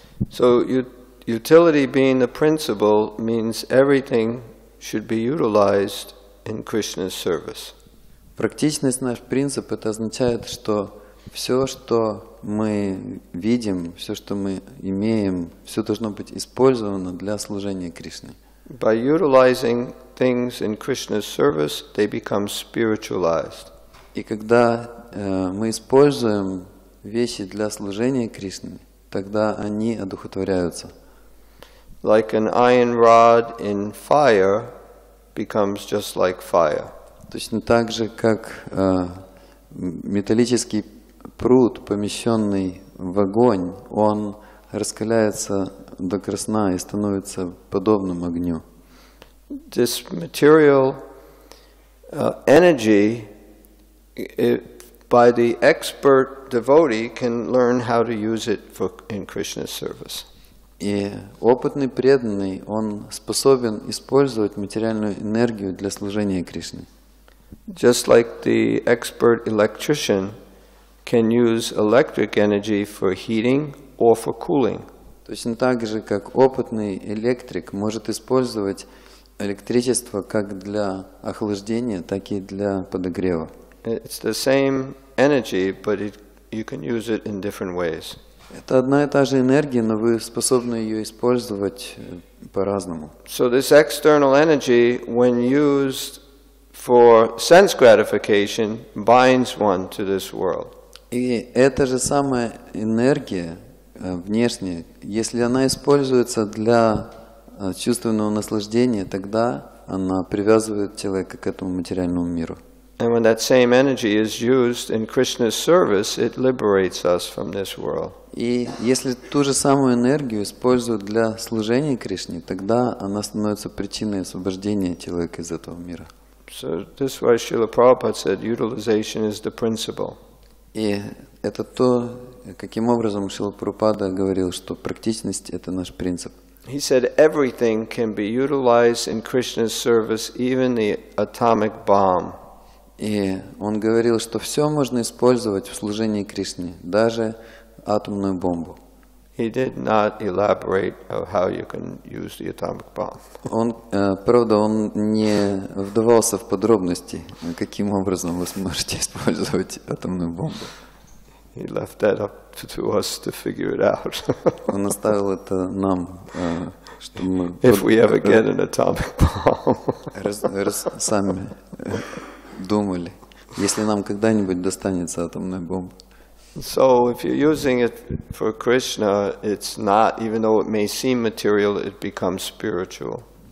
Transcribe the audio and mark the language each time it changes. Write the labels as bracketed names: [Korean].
[English] So utility being the principle means everything should be utilized in Krishna's service. [Russian] Практичность наш принцип это означает, что все, что мы видим, все, что мы имеем, все должно быть использовано для служения Кришне. [English] By utilizing things in Krishna's service, they become spiritualized. [Russian] И когда мы используем вещи для служения Кришне, тогда они одухотворяются. [English] Like an iron rod in fire becomes just like fire. [Russian] Точно так же, как металлический пруд, помещенный в огонь, он раскаляется до красна и становится подобным огню. [English] This material energy, by the expert devotee, can learn how to use it for in Krishna's service. [Russian] И опытный преданный, он способен использовать материальную энергию для служения Кришне. [English] Just like the expert electrician can use electric energy for heating or for cooling. [Russian] Точно так же, как опытный электрик может использовать электричество как для охлаждения, так и для подогрева. [English] It's the same energy, but you can use it in different ways. [Russian] Это одна и та же энергия, но вы способны ее использовать по-разному. [English] So this external energy, when used for sense gratification, binds one to this world. [Russian] И эта же самая энергия внешняя, если она используется для чувственного наслаждения, тогда она привязывает человека к этому материальному миру. [English] And when that same energy is used in Krishna's service, it liberates us from this world. [Russian] И если ту же самую энергию используют для служения Кришне, тогда она становится причиной освобождения человека из этого мира. [English] So this is why Srila Prabhupada said utilization is the principle. [Russian] И это то, каким образом Шрила Прабхупада говорил, что практичность – это наш принцип. [English] He said everything can be utilized in Krishna's service, even the atomic bomb. [Russian] И он говорил, что все можно использовать в служении Кришне, даже атомную бомбу. [English] He did not elaborate of how you can use the atomic bomb. [Russian] Он, правда, он не вдавался в подробности, каким образом вы сможете использовать атомную бомбу. [English] He left that up to us to figure it out. [Russian] Он оставил это нам, чтобы мы. [English] If we ever get an atomic bomb. [Russian] Сами думали, если нам когда-нибудь достанется атомная бомба. [English] So if you're using it for Krishna, it's not, even though it may seem material, it becomes spiritual.